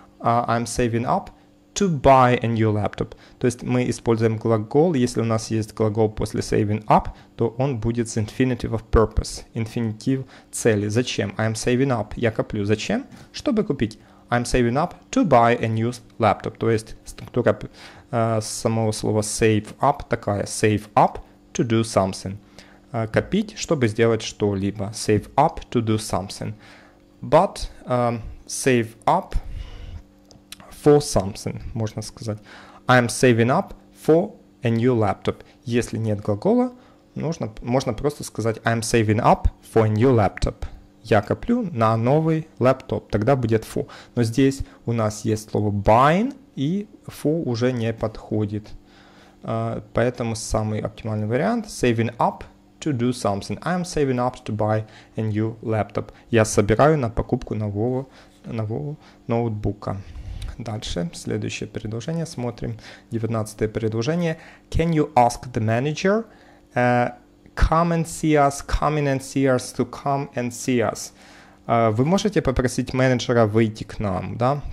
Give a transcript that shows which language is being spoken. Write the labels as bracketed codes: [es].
[en] I'm saving up to buy a new laptop. [ru] То есть мы используем глагол, если у нас есть глагол после saving up, то он будет с infinitive of purpose, infinitive цели. Зачем? [en] I'm saving up. [ru] Я коплю. Зачем? Чтобы купить. [en] I'm saving up to buy a new laptop. [ru] То есть структура самого слова save up такая. [en] Save up to do something. [ru] Копить, чтобы сделать что-либо. [en] Save up to do something. But save up for something, [ru] можно сказать. [en] I'm saving up for a new laptop. [ru] Если нет глагола, нужно, можно просто сказать [en] I'm saving up for a new laptop. [ru] Я коплю на новый лэптоп. Тогда будет for. Но здесь у нас есть слово buying, и for уже не подходит. Поэтому самый оптимальный вариант [en] saving up to do something. I'm saving up to buy a new laptop. [ru] Я собираю на покупку нового ноутбука. Дальше, следующее предложение, смотрим. 19-е предложение. [en] Can you ask the manager come and see us? [ru] Вы можете попросить менеджера выйти к нам, да?